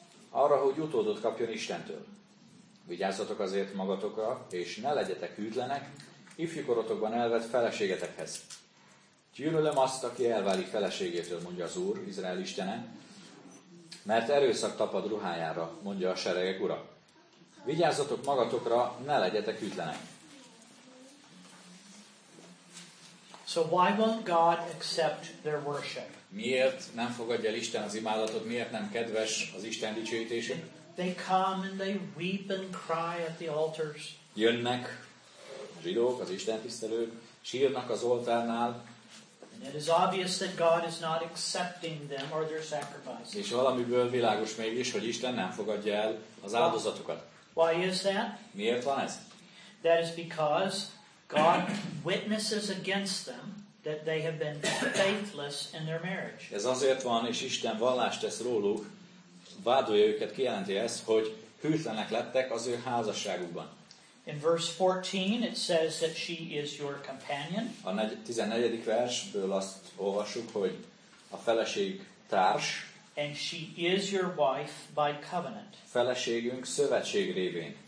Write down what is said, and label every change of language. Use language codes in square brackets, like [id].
[hu] Arra, hogy utódot kapjon Istentől. Vigyázzatok azért magatokra, és ne legyetek hűtlenek, ifjúkorotokban elvett feleségetekhez. Gyűlölöm azt, aki elválik feleségétől, mondja az Úr, Izrael Istene, mert erőszak tapad ruhájára, mondja a seregek ura. Vigyázzatok magatokra, ne legyetek hűtlenek. [en] So why won't God accept their worship? [hu] Miért nem fogadja el Isten az imádatot? Miért nem kedves az Isten dicsőítése? [en] They come and they weep and cry at the altars. [hu] Jönnek a zsidók, az Isten tisztelők, sírnak az oltárnál. [en] And it is obvious that God is not accepting them or their sacrifices. [hu] És valamiből világos mégis, hogy Isten nem fogadja el az áldozatokat. [en] Why is that? [hu] Miért van ez? [en] That is because God witnesses against them that they have been faithless in their marriage. [hu] Ez azért van, és Isten vallást tesz róluk, vádolja őket, kijelenti ezt, hogy hűtlenek lettek az ő házasságukban. [en] In verse 14 it says that she is your companion. [hu] A 14. versből azt olvassuk, hogy a feleség társ. [en] And she is your wife by covenant. [hu] Feleségünk szövetség révén.